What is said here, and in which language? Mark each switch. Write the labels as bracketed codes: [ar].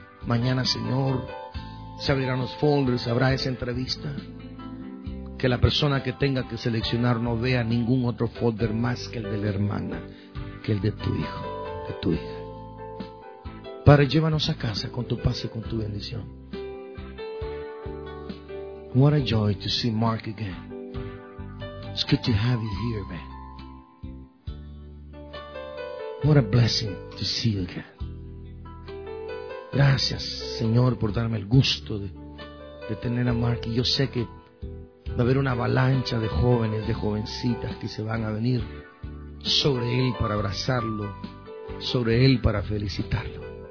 [es] Mañana, Señor, se abrirán los folders. Habrá esa entrevista. Que la persona que tenga que seleccionar no vea ningún otro folder más que el de la hermana, que el de tu hijo, de tu hija. Padre, llévanos a casa con tu paz y con tu bendición. [en] What a joy to see Mark again. It's good to have you here, man. What a blessing to see you again. [es] Gracias, Señor, por darme el gusto de tener a Mark. Y yo sé que va a haber una avalancha de jóvenes, de jovencitas que se van a venir sobre él para abrazarlo, sobre él para felicitarlo.